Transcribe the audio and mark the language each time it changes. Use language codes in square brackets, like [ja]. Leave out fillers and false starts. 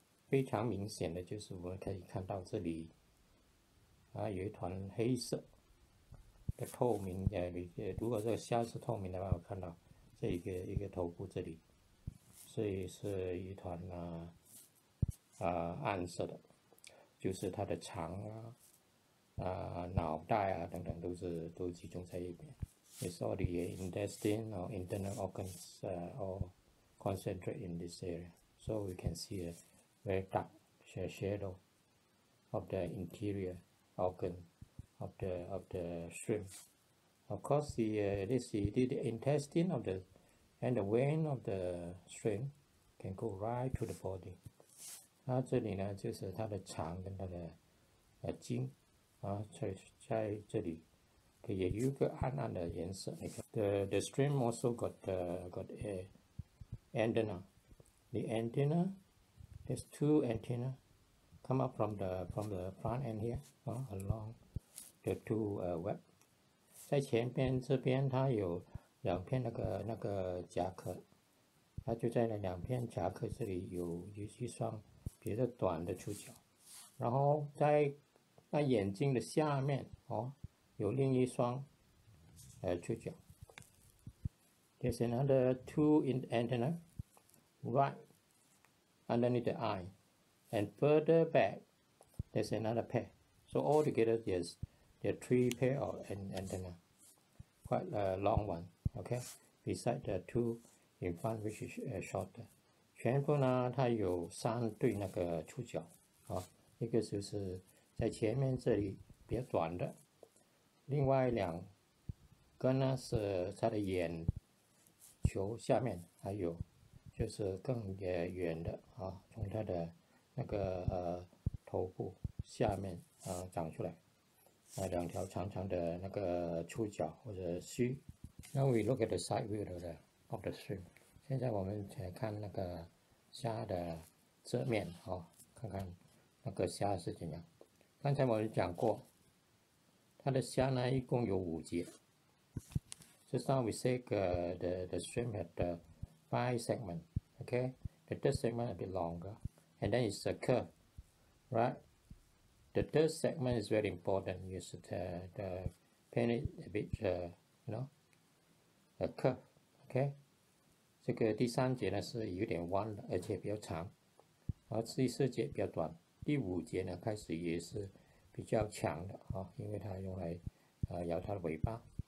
[zh] 非常明显的就是，我们可以看到这里，有一团黑色的透明的。如果这个虾是透明的话，我看到这一个头部这里，所以是一团暗色的，就是它的肠脑袋等等都集中在一边。 [en] It's all the intestine or internal organs all concentrate in this area, so we can see it. Very dark shadow of the interior organ of the shrimp. Of course, the intestine of the and the vein of the shrimp can go right to the body. [zh] 这里呢，就是它的肠跟它的筋在这里，也有个暗暗的颜色。你看， [en] the shrimp also got a antenna. The antenna. There's two antennae come up from the front end here, along the two web. [zh] 在前边这边，它有两片那个夹克，它就在那两片夹克这里有一双比较短的触角，然后在那眼睛的下面哦，有另一双触角。 [en] There's another two in the antenna, right underneath the eye, and further back, there's another pair. So all together, there are three pair of antenna, quite a long one, okay? Beside the two in front, which is shorter. [zh] 全部呢，它有三对那个触角，啊，一个就是在前面这里比较短的，另外两个呢是它的眼球下面还有，就是更远的啊，从它的那个头部下面啊长出来，啊，两条长长的那个触角或者须。 [en] Now we look at the side view of the shrimp。 [zh] 现在我们来看那个虾的侧面啊，看看那个虾是怎样。刚才我们讲过，它的虾呢一共有五节。 [en] Just now we said the shrimp had five segments, okay? The third segment a bit longer, and then it's a curve, right? The third segment is very important. You should paint it a bit, a curve, okay? [zh] 这个第三节呢是有点弯的，而且比较长，然后第四节比较短，第五节呢开始也是比较强的啊，因为它用来摇它的尾巴。